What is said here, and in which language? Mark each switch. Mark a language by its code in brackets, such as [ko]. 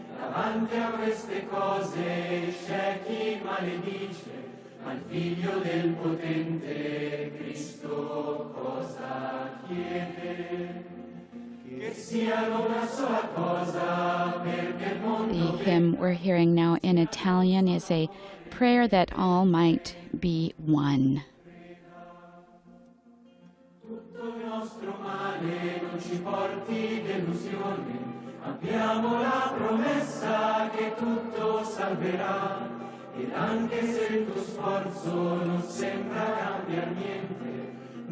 [it] Davanti a queste cose c'è chi maledice, ma il figlio del potente Cristo cosa chiede? Che sia una sola cosa, perché il mondo... [en] The hymn we're hearing now in Italian is a prayer that all might be one. [it] Tutto il nostro male non ci porti delusione, abbiamo la promessa che tutto salverà, ed anche se il tuo sforzo non sembra cambiar niente,